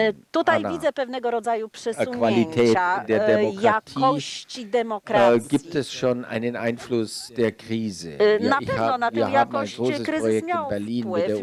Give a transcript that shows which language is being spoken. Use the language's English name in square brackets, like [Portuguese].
[Polish] Tutaj widzę pewnego rodzaju przesunięcia jakości demokracji. [German] Gibt es schon einen Einfluss der Krise? [Polish] Na pewno na tym jakość kryzys miał wpływ.